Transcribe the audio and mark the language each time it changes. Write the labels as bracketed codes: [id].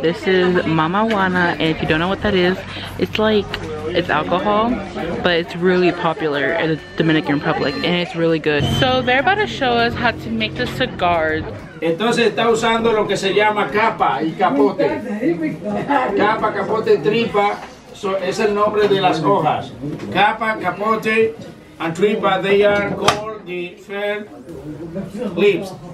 [en] This is Mama Juana, and if you don't know what that is, it's like, it's alcohol, but it's really popular in the Dominican Republic, and it's really good. So they're about to show us how to make the cigars. [es] Entonces está usando lo que se llama capa y capote. Capa, capote, tripa, so, es el nombre de las hojas. [en] Capa, capote, and tripa, they are called the fair leaves.